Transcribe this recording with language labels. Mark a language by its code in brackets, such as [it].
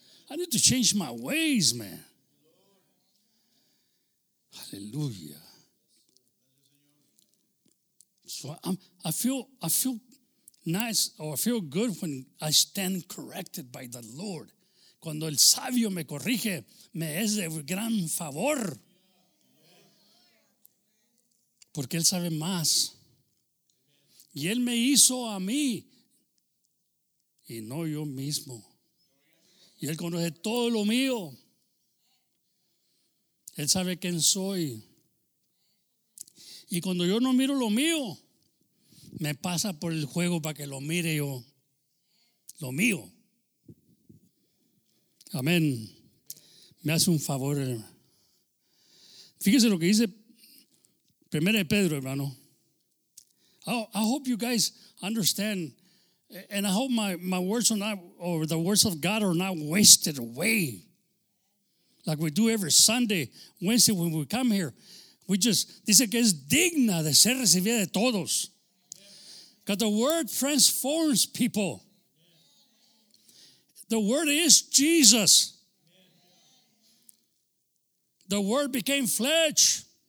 [en] I need to change my ways, man. Hallelujah. So I feel nice, or I feel good when I stand corrected by the Lord. [es] Cuando el sabio me corrige, me es de gran favor. Porque él sabe más. Y él me hizo a mí. Y no yo mismo. Y él conoce todo lo mío. Él sabe quién soy. Y cuando yo no miro lo mío, me pasa por el juego para que lo mire yo. Lo mío. Amén. Me hace un favor. Fíjese lo que dice Primera de Pedro, hermano. [en] I hope you guys understand. And I hope my words are not, or the words of God are not wasted away. Like we do every Sunday, Wednesday when we come here. We just, [es] dice que es digna de ser recibida de todos. [en] Because the word transforms people. The word is Jesus. The word became flesh.